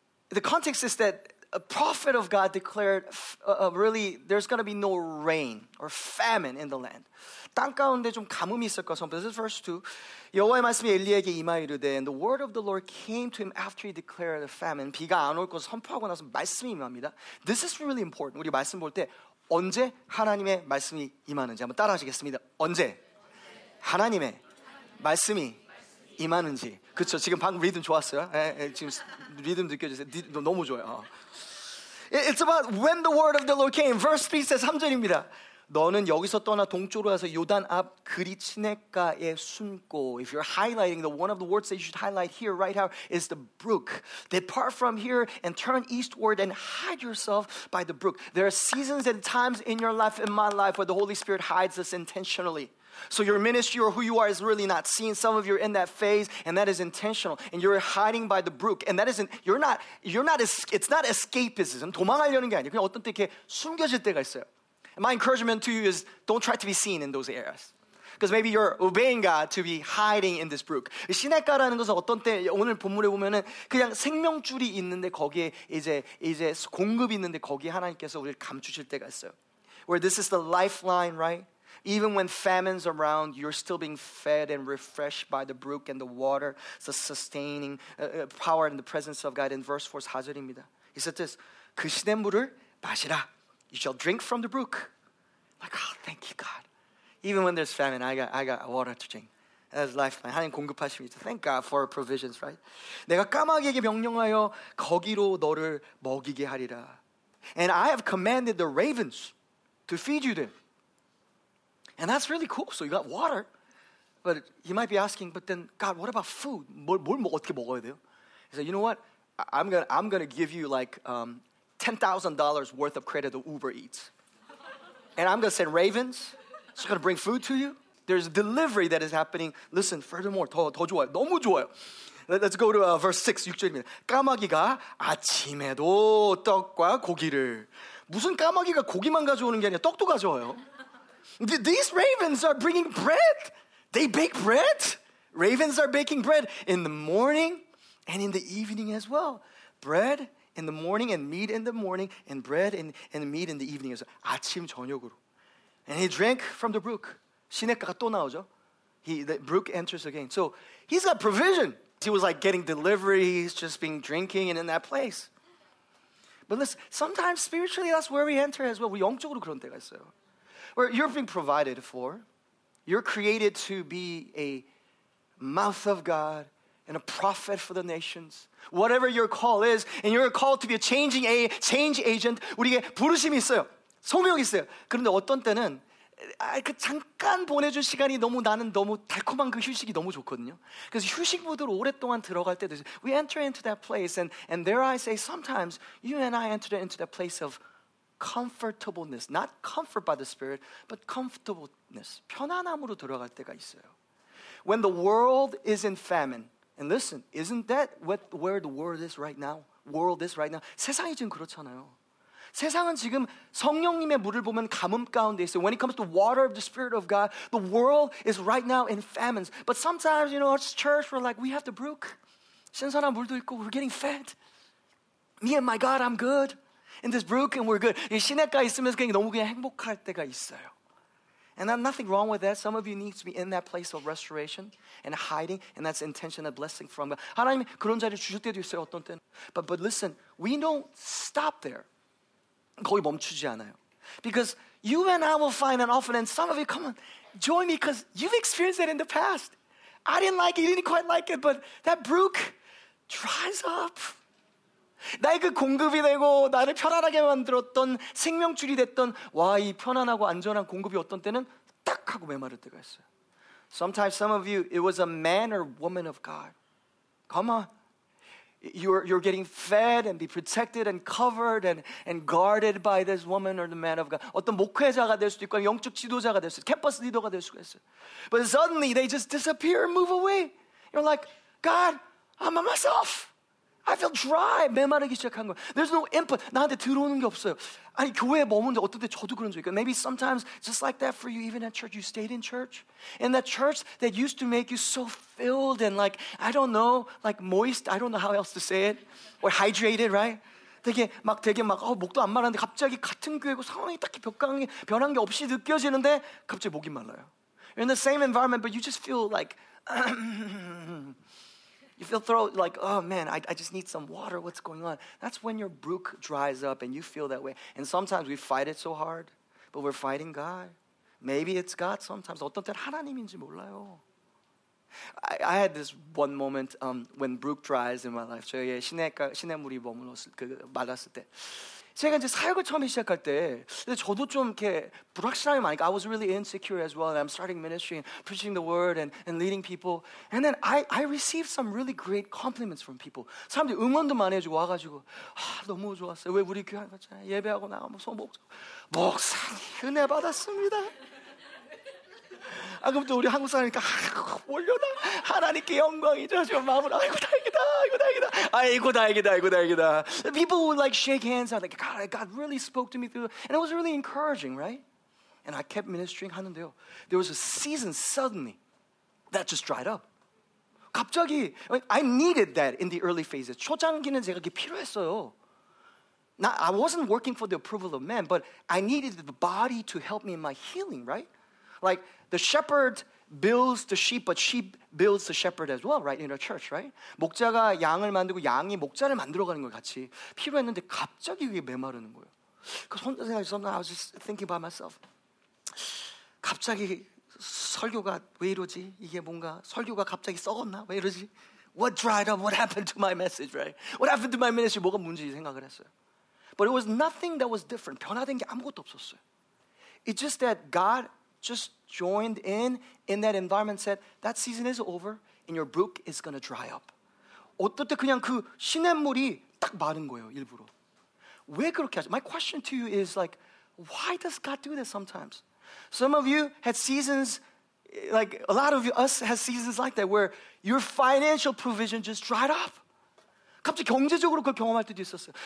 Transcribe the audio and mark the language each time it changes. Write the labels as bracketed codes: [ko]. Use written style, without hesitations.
[en] The context is that a prophet of God declared really there's going to be no rain or famine in the land. [ko] 땅 가운데 좀 가뭄이 있을 것 같습니다. [en] This is verse 2. [ko] 여호와의 말씀이 엘리야에게 임하이르되 [en] and the word of the Lord came to him after he declared a famine. [ko] 비가 안 올 것을 선포하고 나서 말씀이 임합니다. [en] This is really important. [ko] 우리 말씀 볼 때 언제 하나님의 말씀이 임하는지 한번 따라하시겠습니다. 언제 하나님의 말씀이 임하는지. 그쵸. 지금 방금 리듬 좋았어요. 지금 리듬 느껴지세요. 너무 좋아요. [en] It's about when the word of the Lord came. Verse 3 says [ko] 3절입니다. 너는 여기서 떠나 동쪽으로 가서 요단 앞 그릿 시냇가에 숨고. [en] If you're highlighting, the one of the words that you should highlight here right now is the brook. Depart from here and turn eastward and hide yourself by the brook. There are seasons and times in your life, in my life, where the Holy Spirit hides us intentionally. So your ministry or who you are is really not seen. Some of you are in that phase, and that is intentional. And you're hiding by the brook. And that isn't, it's not escapism. [ko] 도망하려는 게 아니에요. 그냥 어떤 때 이렇게 숨겨질 때가 있어요. [en] And my encouragement to you is don't try to be seen in those areas. Because maybe you're obeying God to be hiding in this brook. [ko] 시냇가라는 것은 어떤 때 오늘 본문에 보면은 그냥 생명줄이 있는데 거기에 이제 공급이 있는데 거기에 하나님께서 우리를 감추실 때가 있어요. [en] Where this is the lifeline, right? Even when famine's around, you're still being fed and refreshed by the brook and the water, the sustaining power and the presence of God. In verse 4, [ko] 4절입니다. [en] He said this, [ko] 그 시냇물을 마시라. [en] You shall drink from the brook. Like, oh, thank you, God. Even when there's famine, I got water to drink. That's lifeline. [ko] 하나님 공급하십니다. [en] Thank God for provisions, right? [ko] 내가 까마귀에게 명령하여 거기로 너를 먹이게 하리라. [en] And I have commanded the ravens to feed you them. And that's really cool. So you got water. But you might be asking, but then, God, what about food? [ko] 뭘 어떻게 먹어야 돼요? [en] He said, you know what? I'm gonna give you like $10,000 worth of credit to Uber Eats. And I'm going to send ravens. It's going to bring food to you. There's delivery that is happening. Listen, furthermore, [ko] 더 좋아요. 너무 좋아요. [en] Let's go to verse 6, [ko] 6절입니다. 까마귀가 아침에도 떡과 고기를. 무슨 까마귀가 고기만 가져오는 게 아니라 떡도 가져와요. [en] These ravens are bringing bread. They bake bread. Ravens are baking bread in the morning and in the evening as well. Bread in the morning and meat in the morning and bread and meat in the evening as well. [ko] 아침, 저녁으로. [en] And he drank from the brook. [ko] 시냇가가 또 나오죠. [en] The brook enters again. So he's got provision. He was like getting delivery. He's just being drinking and in that place. But listen, sometimes spiritually that's where we enter as well. [ko] 영적으로 그런 때가 있어요. [en] Where you're being provided for. You're created to be a mouth of God and a prophet for the nations. Whatever your call is, and you're called to be a change agent, [ko] 우리에게 부르심이 있어요. 소명이 있어요. 그런데 어떤 때는 그 잠깐 보내준 시간이 너무 나는 너무 달콤한 그 휴식이 너무 좋거든요. 그래서 휴식 모드로 오랫동안 들어갈 때도 있어요. [en] We enter into that place, and there I say, sometimes you and I enter into that place of comfortableness. Not comfort by the Spirit, but comfortableness. [ko] 편안함으로 들어갈 때가 있어요. [en] When the world is in famine, and listen, isn't that where the world is right now? World is right now. [ko] 세상이 지금 그렇잖아요. 세상은 지금 성령님의 물을 보면 가뭄 가운데 있어요. [en] When it comes to water of the Spirit of God, the world is right now in famines. But sometimes, you know, as church, we're like, we have the brook. [ko] 신선한 물도 있고, [en] we're getting fed. Me and my God, I'm good. In this brook, and we're good. [ko] 이 시냇가 있으면서 그냥 너무 그냥 행복할 때가 있어요. [en] And I'm nothing wrong with that. Some of you need to be in that place of restoration and hiding, and that's intention and blessing from God. [ko] 하나님 그런 자리를 주실 때도 있어요, 어떤 때는. [en] But listen, we don't stop there. [ko] 거의 멈추지 않아요. [en] Because you and I will find that often, and some of you, come on, join me, because you've experienced it in the past. I didn't like it, you didn't quite like it, but that brook dries up. [ko] 나의 그 공급이 되고 나를 편안하게 만들었던 생명줄이 됐던 와, 이 편안하고 안전한 공급이 어떤 때는 딱 하고 메마를 때가 있어요. [en] Sometimes some of you, it was a man or woman of God. Come on. You're getting fed and be protected and covered and guarded by this woman or the man of God. [ko] 어떤 목회자가 될 수도 있고 영적 지도자가 될 수도 있고 캠퍼스 리더가 될 수도 있어요. [en] But suddenly they just disappear and move away. You're like, God, I'm myself. I feel dry. [ko] 메마르기 시작한 거야. [en] There's no input. [ko] 나한테 들어오는 게 없어요. 아니 교회에 머문데 어떤 때 저도 그런 적이 있어요. [en] Maybe sometimes just like that for you, even at church, you stayed in church. And that church that used to make you so filled and like, I don't know, like moist, I don't know how else to say it. Or hydrated, right? [ko] 되게 막 목도 안 마르는데 갑자기 같은 교회고 상황이 딱히 변한 게 없이 느껴지는데 갑자기 목이 말라요. [en] You're in the same environment, but you just feel like... You feel throat like, oh man, I just need some water. What's going on? That's when your brook dries up and you feel that way. And sometimes we fight it so hard, but we're fighting God. Maybe it's God sometimes. [ko] 어떤 때 하나님인지 몰라요. [en] I had this one moment when brook dries in my life. [ko] 저희 시냇물이 말랐을 때. 제가 이제 사역을 처음 시작할 때 근데 저도 좀 이렇게 불확실함이 많으니까 [en] I was really insecure as well. And I'm starting ministry and preaching the word and leading people. And then I received some really great compliments from people. [ko] 사람들이 응원도 많이 해주고 와가지고 너무 좋았어요. 왜 우리 교회 갔잖아요. 예배하고 나가면서 목사님 은혜 받았습니다. 아, 그럼 또 우리 한국 사람이니까 아이고, 몰려다 하나님께 영광이죠. 지금 마음으로 아이고 다행이다, 아이고 다행이다, 아이고 다행이다, 아이고 다행이다. [en] People would like shake hands and like God, God really spoke to me through, and it was really encouraging, right? And I kept ministering [ko] 하는데요. [en] There was a season suddenly that just dried up. [ko] 갑자기 [en] I needed that in the early phases. [ko] 초창기는 제가 그게 필요했어요. [en] Now, I wasn't working for the approval of men, but I needed the body to help me in my healing, right? Like, the shepherd builds the sheep, but sheep builds the shepherd as well, right? In a church, right? [ko] 목자가 양을 만들고 양이 목자를 만들어가는 것 같이 필요했는데 갑자기 그게 메마르는 거예요. 그래서 혼자 생각했었나? [en] I was just thinking by myself. [ko] 갑자기 설교가 왜 이러지? 이게 뭔가 설교가 갑자기 썩었나? 왜 이러지? [en] What dried up? What happened to my message, right? What happened to my ministry? [ko] 뭐가 문제인지 생각을 했어요. [en] But it was nothing that was different. [ko] 변화된 게 아무것도 없었어요. [en] It's just that God just joined in that environment, said, that season is over and your brook is going to dry up. [ko] 어떨 때 그냥 그 시냇물이 딱 마른 거예요, 일부러. 왜 그렇게 하죠? [en] My question to you is like, why does God do this sometimes? Some of you had seasons, like a lot of us had seasons like that where your financial provision just dried up. [ko] 갑자기 경제적으로 그걸 경험할 때도 있었어요.